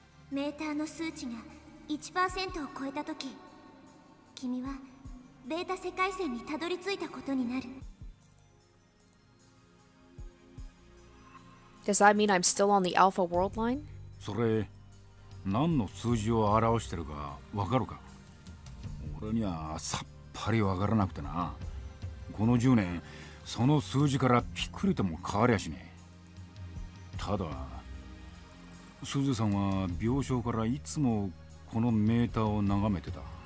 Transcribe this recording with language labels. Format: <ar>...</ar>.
<ja>メーターの数値が 1% を超えたとき、君はベータ世界線にたどり着いたことになる。</ja> <en>Does that mean I'm still on the Alpha World Line?</en> <ja>それ、何の数字を表してるかわかるか？俺にはさっぱりわからなくてな。この10年、その数字からピクリとも変わりゃしねえ。ただ、スズさんは病床からいつもこのメーターを眺めてた。</ja>